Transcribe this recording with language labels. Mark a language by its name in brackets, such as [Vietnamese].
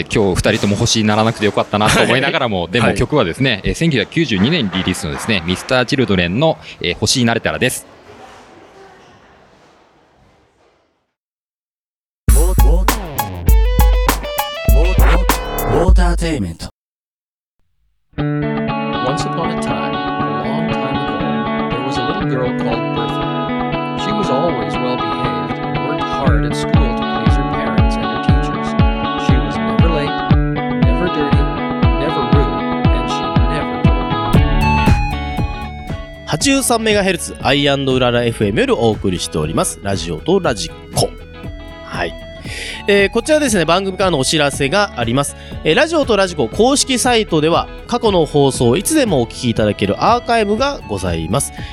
[Japanese] 今日2人とも星にならなくてよかったなと思いながらも、はい、でも曲はですね、はい、1992年リリースのですね、ミスターチルドレンの、星になれたらです。ウォーターテイメント。 [English] Once upon a time, a long time ago, there was a little girl called always well-behaved and worked hard at school to please her parents and her teachers. She was never late, never dirty, never rude, and she never told. [Japanese] 83MHz アイアンドウララ FM よりお送りしております、ラジオとラジコ。はい、こちらですね、番組からのお知らせがあります。ラジオとラジコ公式サイトでは過去の放送をいつでもお聞きいただけるアーカイブがございます。